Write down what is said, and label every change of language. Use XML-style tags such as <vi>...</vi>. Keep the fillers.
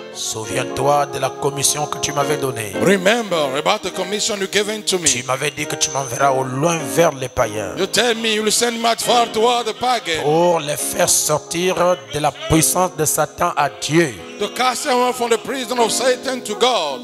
<fr>Souviens-toi de la commission que tu m'avais donnée.</fr> <en>Remember about the commission you given to me.</en> <fr>Tu m'avais dit que tu m'enverras au loin vers les païens.</fr> <en>You tell me you'll send me far toward the pagans.</en> <fr>Pour les faire sortir de la puissance de Satan à Dieu.</fr> <en>To cast them from the prison of Satan to God.</en>